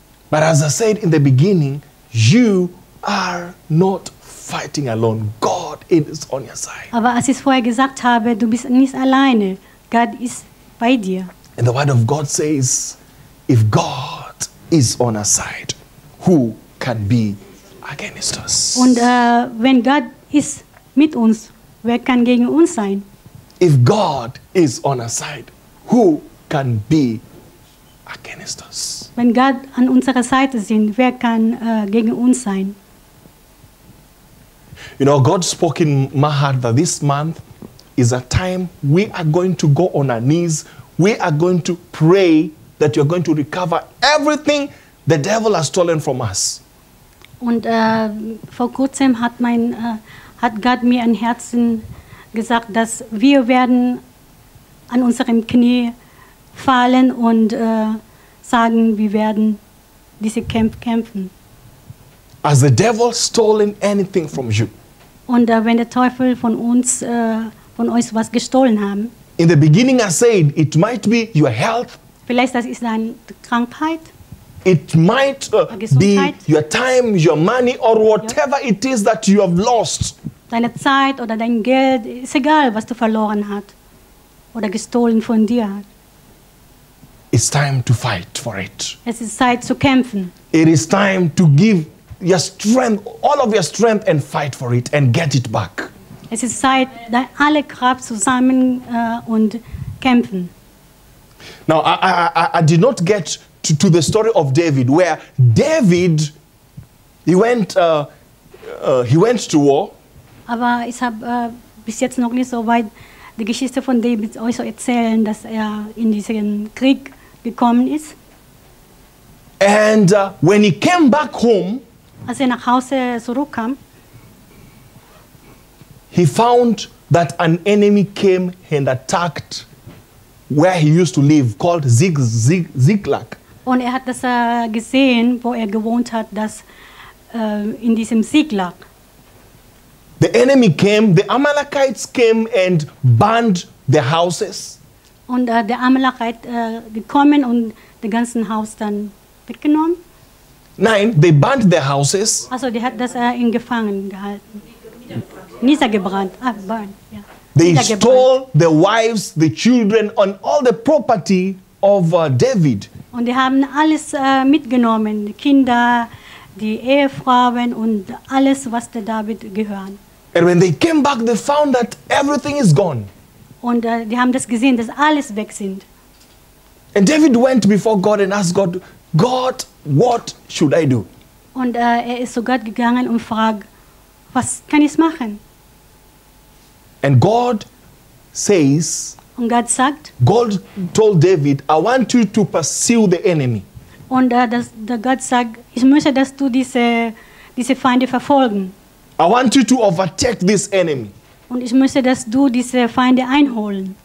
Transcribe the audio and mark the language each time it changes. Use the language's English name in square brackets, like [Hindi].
[English] But as I said in the beginning, you are not fighting alone. God is on your side. [German] Aber als ich vorher gesagt habe, du bist nicht alleine. Gott ist bei dir. [English] And the word of God says, if God is on our side, who can be against us? [German] Und wenn Gott ist mit uns, wer kann gegen uns sein? [English] If God is on our side, who can be against us? [German] Wenn Gott an unserer Seite sind, wer kann gegen uns sein? [English] You know, God spoke in my heart that this month is a time we are going to go on our knees. We are going to pray that you are going to recover everything the devil has stolen from us. [German] Und vor kurzem hat Gott mir an Herzen gesagt, dass wir werden an unserem Knie fallen und sagen, wir werden diese Kämpfe kämpfen. [English] Has the devil stolen anything from you? [German] Und wenn der Teufel von uns von euch was gestohlen haben. [English] In the beginning I said it might be your health. [German] Vielleicht das ist eine Krankheit. [English] It might be your time, your money or whatever it is that you have lost. [German] Deine Zeit oder dein Geld, ist egal was du verloren hast oder gestohlen von dir. [English] It's time to fight for it. [German] Es ist Zeit zu kämpfen. [English] It is time to give your strength, all of your strength, and fight for it and get it back. [German] Es ist Zeit, alle Kraft zusammen und kämpfen. [English] Now, I did not get to the story of David, where David, he went to war. [German] Aber ich habe bis jetzt noch nicht so weit die Geschichte von David euch so erzählen, dass in diesen Krieg gekommen ist. [English] And when he came back home, [German] als nach Hause zurückkam, [English] he found that an enemy came and attacked where he used to live, called Ziklag. [German] Und hat das gesehen, wo gewohnt hat, dass in diesem Ziklag. [English] The enemy came, the Amalekites came and burned the houses. [German] Und der Amalekite gekommen und das ganze Haus dann weggenommen. Nein, [English] they burned the houses. [German] Also, die hat das in Gefangen gehalten. Niedergebrannt. Ah, [English] burned. Yeah. They stole the wives, the children, and all the property of David. [German] Und die haben alles mitgenommen, die Kinder, die Ehefrauen und alles, was der David gehört. [English] And when they came back, they found that everything is gone. [German] Und die haben das gesehen, dass alles weg sind. [English] And David went before God and asked God, God, what should I do? [German] Und ist zu Gott gegangen und fragt, was kann ich machen? [English] And God says, [German] und Gott sagt, [English] God told David, I want you to pursue the enemy. [German] Und der Gott sagt, ich möchte, dass du diese Feinde verfolgen. [English] I want you to overtake this enemy. [German] Und ich möchte, dass du diese Feinde einholen.